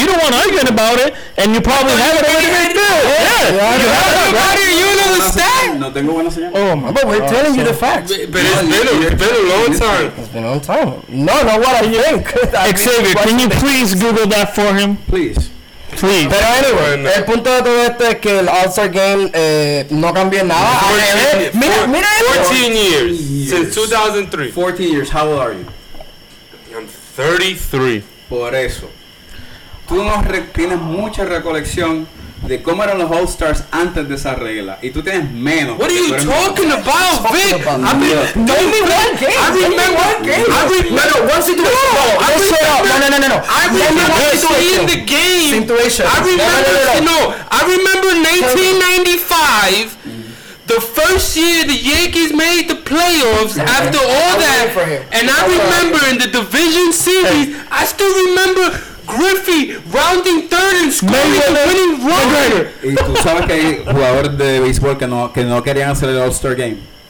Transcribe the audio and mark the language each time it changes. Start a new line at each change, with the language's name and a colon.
English: You don't want arguing about it, and you probably have it already right there. Yeah, you have it right here. You know the stats.
Spanish: No tengo buena señal.
English: Oh my, but we're telling you the facts. But it's been a long time. No, what I think. Xavier, can you please Google that for him? Please.
Spanish: Pero anyway, el punto de todo esto es que el All-Star Game no cambió nada.
English: 14 years. Since 2003. 14 years. How old are you? I'm 33.
Spanish: Por eso, tú no tienes mucha recolección de cómo eran los All-Stars antes de esa regla. Y tú tienes menos.
English: What are you talking about, Vic? I remember 1995. The first year the Yankees made the playoffs, mm-hmm. after all that, and I remember in the division series, I still remember Griffey rounding third and scoring the winning run.
Spanish: Y tú sabes que hay jugadores de béisbol que no querían hacer el All-Star Game.